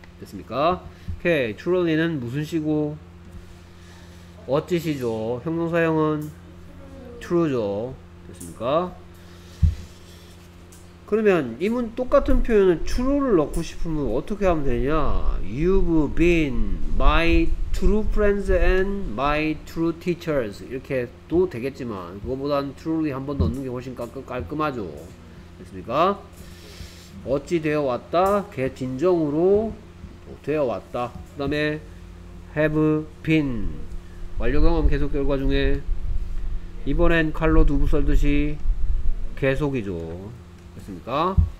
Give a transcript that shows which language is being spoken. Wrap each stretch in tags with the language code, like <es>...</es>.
<ko>됐습니까? 오케이. Truly는 무슨 시고? 어찌시죠? 형용사형은 True죠. 됐습니까? 그러면 이 문 똑같은 표현은 True를 넣고 싶으면 어떻게 하면 되냐?</ko> <en>You've been my true friends and my true teachers.</en> <ko>이렇게도 되겠지만 그거보단 Truly 한번 넣는 게 훨씬 깔끔하죠. 됐습니까? 어찌 되어 왔다? 걔 진정으로 되어 왔다. 그 다음에 have been 완료경험 계속 결과 중에 이번엔 칼로 두부 썰듯이 계속이죠. 됐습니까?</ko>